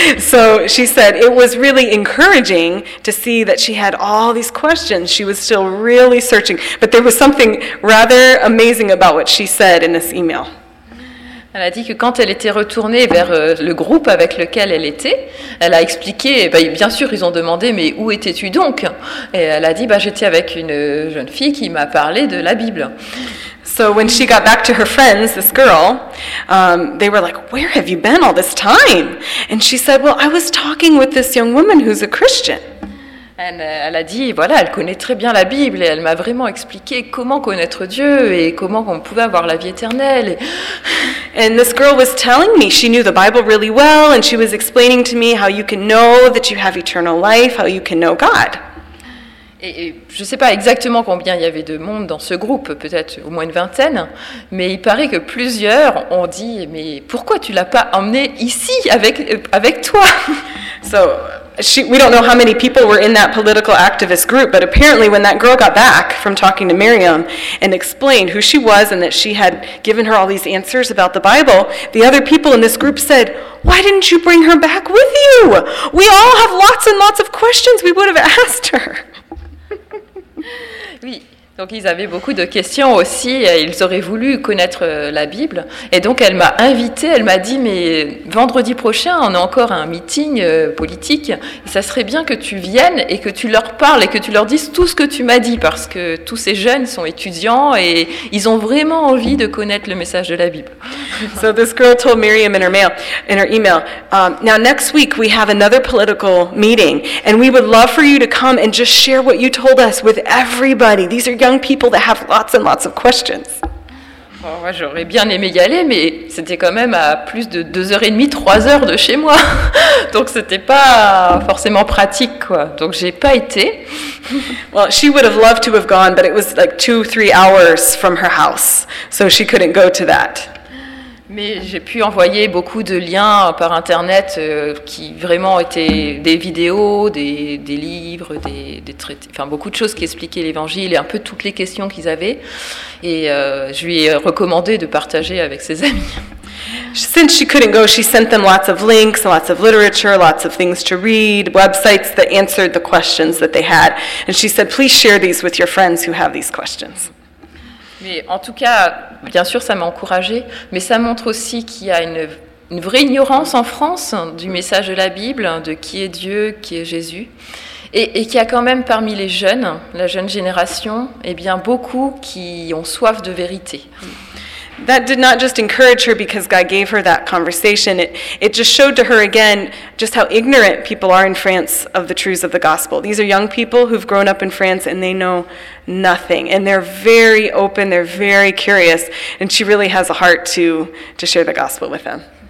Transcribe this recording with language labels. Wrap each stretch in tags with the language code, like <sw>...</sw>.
<en>So she said it was really encouraging to see that she had all these questions. She was still really searching. But there was something rather amazing about what she said in this email.</en> <fr>Elle a dit que quand elle était retournée vers le groupe avec lequel elle était, elle a expliqué, bien sûr, ils ont demandé, mais où étais-tu donc? Et elle a dit, j'étais avec une jeune fille qui m'a parlé de la Bible.</fr> <en>So when she got back to her friends, this girl, they were like, where have you been all this time? And she said, I was talking with this young woman who's a Christian.</en> <fr>Elle a dit, elle connaît très bien la Bible et elle m'a vraiment expliqué comment connaître Dieu et comment on pouvait avoir la vie éternelle.</fr> <en>And this girl was telling me she knew the Bible really well and she was explaining to me how you can know that you have eternal life, how you can know God.</en> <fr>Et je ne sais pas exactement combien il y avait de monde dans ce groupe, peut-être au moins une vingtaine, mais il paraît que plusieurs ont dit, mais pourquoi tu ne l'as pas emmené ici avec toi?</fr> <en>So, we don't know how many people were in that political activist group, but apparently when that girl got back from talking to Miriam and explained who she was and that she had given her all these answers about the Bible, the other people in this group said, why didn't you bring her back with you? We all have lots and lots of questions we would have asked her.</en> <fr>Oui, donc ils avaient beaucoup de questions aussi, ils auraient voulu connaître la Bible. Et donc elle m'a invitée, elle m'a dit, mais vendredi prochain, on a encore un meeting politique, et ça serait bien que tu viennes et que tu leur parles et que tu leur dises tout ce que tu m'as dit, parce que tous ces jeunes sont étudiants et ils ont vraiment envie de connaître le message de la Bible.</fr> <en>So this girl told Miriam in her email, now next week we have another political meeting and we would love for you to come and just share what you told us with everybody. These are young people that have lots and lots of questions.</en> <fr>Oh, ouais, j'aurais bien aimé y aller, mais c'était quand même à plus de 2h30, 3h de chez moi. Donc c'était pas forcément pratique, quoi. Donc j'ai pas été.</fr> <en>Well, she would have loved to have gone, but it was like 2-3 hours from her house, so she couldn't go to that.</en> <fr>Mais j'ai pu envoyer beaucoup de liens par Internet qui vraiment étaient des vidéos, des livres, des traités, enfin beaucoup de choses qui expliquaient l'Évangile et un peu toutes les questions qu'ils avaient. Et je lui ai recommandé de partager avec ses amis.</fr> <en>Since she couldn't go, she sent them lots of links, lots of literature, lots of things to read, websites that answered the questions that they had. And she said, please share these with your friends who have these questions.</en> <fr>Mais en tout cas, bien sûr, ça m'a encouragée, mais ça montre aussi qu'il y a une vraie ignorance en France du message de la Bible, de qui est Dieu, qui est Jésus, et qu'il y a quand même parmi les jeunes, la jeune génération, eh bien, beaucoup qui ont soif de vérité.</fr> <en>That did not just encourage her because God gave her that conversation. It just showed to her again just how ignorant people are in France of the truths of the gospel. These are young people who've grown up in France and they know nothing. And they're very open, they're very curious, and she really has a heart to share the gospel with them.</en>